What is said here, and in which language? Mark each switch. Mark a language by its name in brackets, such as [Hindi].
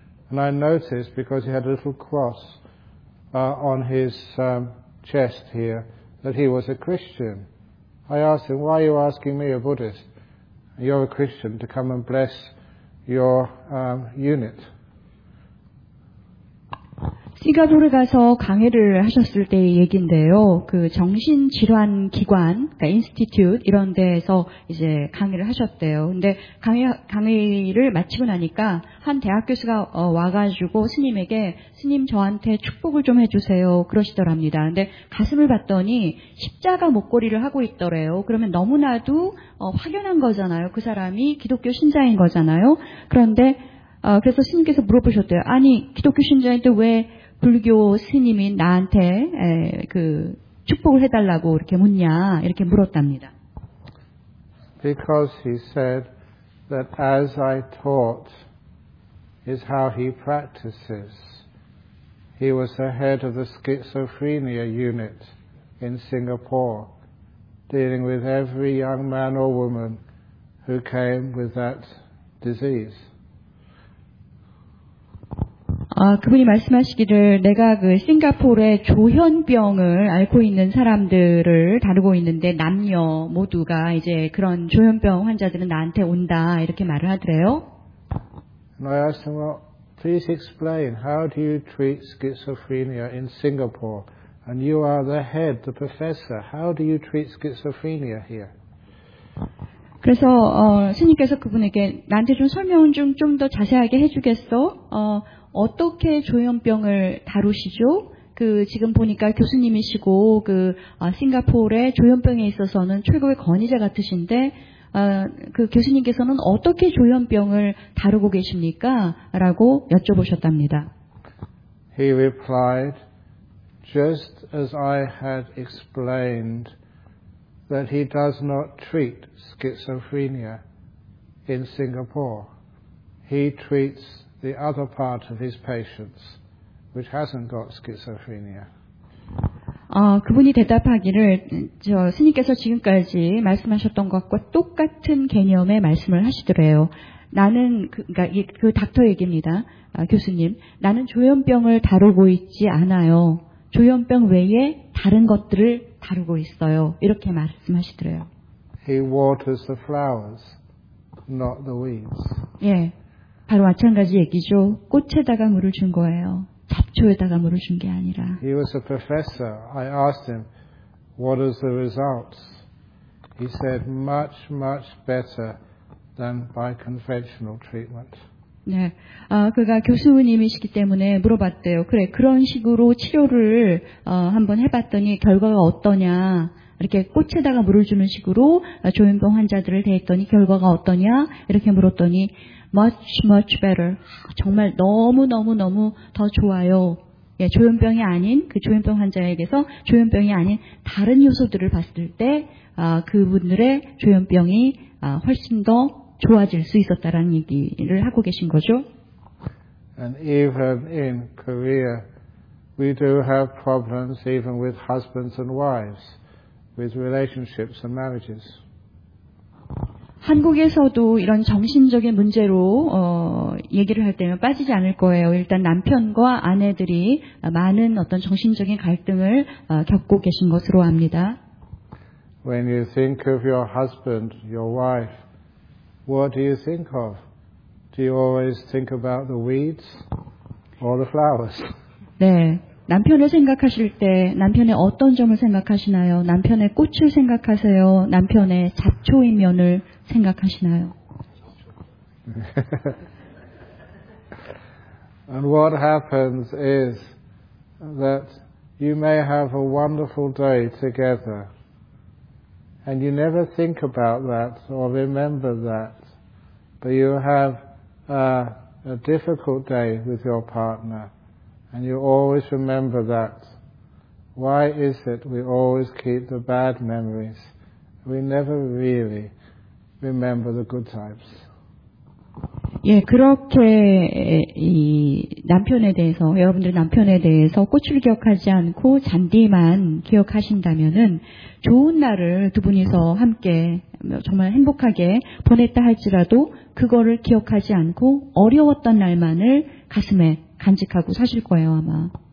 [English] And I noticed, because he had a little cross on his chest here, that he was a Christian. I asked him, "Why are you asking me, a Buddhist? You're a Christian, to come and bless your unit." [Korean] 싱가포르 가서 강의를 하셨을 때의 얘기인데요. 그 정신질환 기관, 그러니까 인스티튜트 이런 데에서 이제 강의를 하셨대요. 근데 강의를 마치고 나니까 한 대학 교수가 와가지고 스님에게 스님 저한테 축복을 좀 해주세요 그러시더랍니다. 근데 가슴을 봤더니 십자가 목걸이를 하고 있더래요. 그러면 너무나도 확연한 거잖아요. 그 사람이 기독교 신자인 거잖아요. 그런데 그래서 스님께서 물어보셨대요. 아니 기독교 신자인데 왜 불교 스님인 나한테 그 축복을 해달라고 이렇게 묻냐 이렇게 물었답니다. [English] Because he said that as I taught is how he practices. He was the head of the schizophrenia unit in Singapore, dealing with every young man or woman who came with that disease. [Korean] 그분이 말씀하시기를 내가 그 싱가포르의 조현병을 앓고 있는 사람들을 다루고 있는데 남녀 모두가 이제 그런 조현병 환자들은 나한테 온다 이렇게 말을 하더래요. [English] And I asked him, well, please explain, how do you treat schizophrenia in Singapore? And you are the head, the professor. How do you treat schizophrenia here? [Korean] 그래서 스님께서 그분에게 나한테 좀 설명 좀 더 자세하게 해주겠어? 어떻게 조현병을 다루시죠? 그 지금 보니까 교수님이시고 그 싱가포르의 조현병에 있어서는 최고의 권위자 같으신데 그 교수님께서는 어떻게 조현병을 다루고 계십니까? 라고 여쭤보셨답니다. [English] He replied, just as I had explained that he does not treat schizophrenia in Singapore. He treats the other part of his patients, which hasn't got schizophrenia. [Korean] 그분이 대답하기를 스님께서 지금까지 말씀하셨던 것과 똑같은 개념의 말씀을 하시더래요. 나는 그 닥터 얘기입니다. 교수님, 나는 조현병을 다루고 있지 않아요. 조현병 외에 다른 것들을 다루고 있어요. 이렇게 말씀하시더래요. [English] He waters the flowers, not the weeds. [Korean] 예. 바로 마찬가지 얘기죠. 꽃에다가 물을 준 거예요. 잡초에다가 물을 준 게 아니라. [English] He was a professor. I asked him, what are the results? He said, much, much better than by conventional treatment. [Korean] 네. 그가 교수님이시기 때문에 물어봤대요. 그래, 그런 식으로 치료를 한번 해봤더니 결과가 어떠냐. 이렇게 꽃에다가 물을 주는 식으로 조현병 환자들을 대했더니 결과가 어떠냐 이렇게 물었더니 [English] much much better [Korean] 정말 너무 너무 너무 더 좋아요. 예, 조현병이 아닌 그 조현병 환자에게서 조현병이 아닌 다른 요소들을 봤을 때 그분들의 조현병이 훨씬 더 좋아질 수 있었다라는 얘기를 하고 계신 거죠. [English] And even in Korea, we do have problems even with husbands and wives. With relationships and marriages. [Korean] 한국에서도 이런 정신적인 문제로 얘기를 할 때는 빠지지 않을 거예요. 일단 남편과 아내들이 많은 어떤 정신적인 갈등을 겪고 계신 것으로 압니다. [English] When you think of your husband, your wife, what do you think of? Do you always think about the weeds or the flowers? [Korean] 네. 남편을 생각하실 때 남편의 어떤 점을 생각하시나요? 남편의 꽃을 생각하세요? 남편의 잡초인 면을 생각하시나요? [English] And what happens is that you may have a wonderful day together and you never think about that or remember that but you have a difficult day with your partner. And you always remember that. Why is it we always keep the bad memories? We never really remember the good times. [Korean] 예, 그렇게 이 남편에 대해서 여러분들 남편에 대해서 꽃을 기억하지 않고 잔디만 기억하신다면은 좋은 날을 두 분이서 함께 정말 행복하게 보냈다 할지라도 그거를 기억하지 않고 어려웠던 날만을 가슴에 간직하고 사실 거예요, 아마.